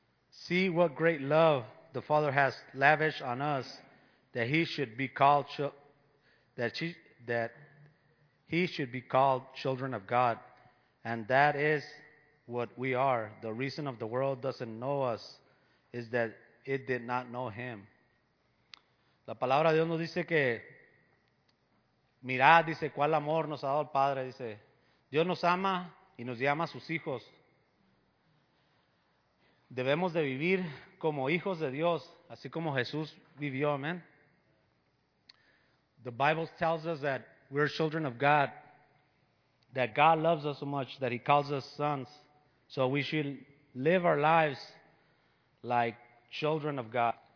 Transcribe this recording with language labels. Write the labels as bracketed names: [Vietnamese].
[English] See what great love the Father has lavished on us, that he should be called children of God, and that is what we are. The reason of the world doesn't know us is that it did not know him. [Spanish] La palabra de Dios nos dice que mirad, dice, cuál amor nos ha dado el Padre, dice, Dios nos ama y nos llama a sus hijos. Debemos de vivir como hijos de Dios, así como Jesús vivió, amén. [English] The Bible tells us that we're children of God, that God loves us so much that he calls us sons. So we should live our lives like children of God.